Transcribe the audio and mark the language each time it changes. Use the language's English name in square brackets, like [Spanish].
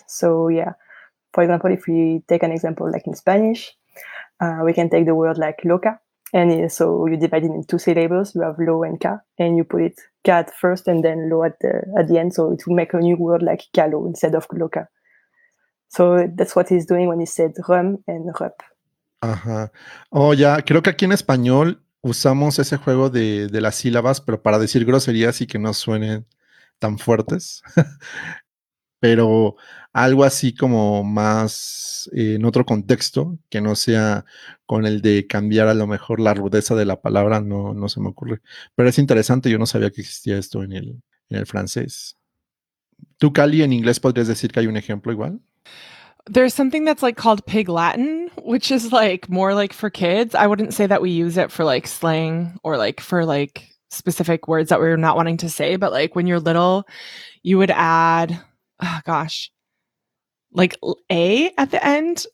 [English] So yeah, for example, if we take an example like in Spanish, we can take the word like loca, and so you divide it in two syllables. You have lo and ca, and you put it ca at first and then lo at the end. So it will make a new word like calo instead of loca. So that's what he's doing when he said rum and rup. Ajá. Oh, ya. Yeah. [Spanish] Creo que aquí en español usamos ese juego de las sílabas, pero para decir groserías y que no suenen tan fuertes. Pero algo así como más en otro contexto, que no sea con el de cambiar a lo mejor la rudeza de la palabra, no se me ocurre. Pero es interesante, yo no sabía que existía esto en el francés. ¿Tú, Cali, en inglés podrías decir que hay un ejemplo igual? [English] There's something that's like called Pig Latin, which is like more like for kids. I wouldn't say that we use it for like slang or like for like specific words that we're not wanting to say. But like when you're little, you would add, oh gosh, like A at the end.